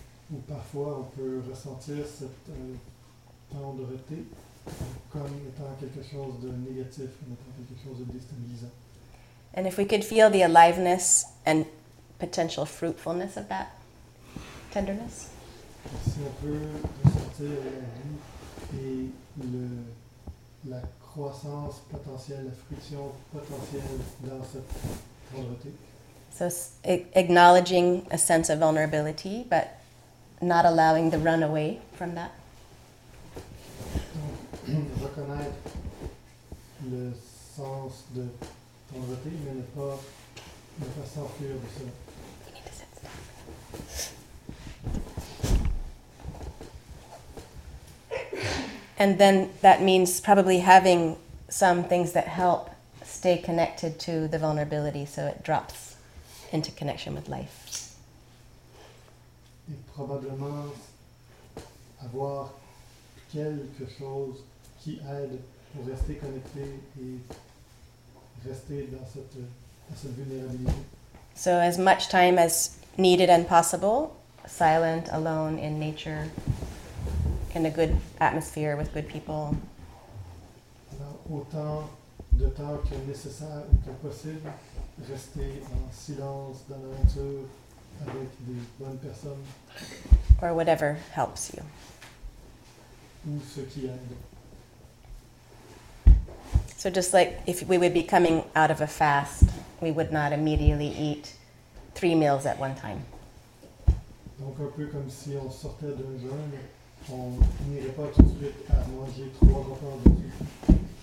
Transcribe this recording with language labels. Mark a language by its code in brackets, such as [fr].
[fr] Ou parfois on peut ressentir cette tendreté comme étant quelque chose de négatif, comme étant quelque chose de déstabilisant. [en] And if we could feel the aliveness and potential fruitfulness of that tenderness. [fr] Si on peut ressentir la vie et la croissance potentielle, la fruition potentielle dans cette tendreté. [en] So acknowledging a sense of vulnerability, but not allowing the run away from that. [fr] Reconnaître le sens de tendreté, mais ne pas s'enfuir de ça. [en] And then that means probably having some things that help stay connected to the vulnerability so it drops into connection with life. [fr] Et probablement avoir quelque chose qui aide pour rester connecté et rester dans cette vulnérabilité. [en] So as much time as needed and possible, silent, alone, in nature, in a good atmosphere with good people. [fr] Alors, autant de temps que nécessaire ou que possible, rester en silence dans la nature, avec des bonnes personnes. [en] Or whatever helps you. [fr] Ou ce qui aide. [en] So just like if we would be coming out of a fast, we would not immediately eat 3 meals at one time. [fr] Donc un peu comme si on sortait d'un jeûne, on n'irait pas tout de suite à manger 3 repas de suite.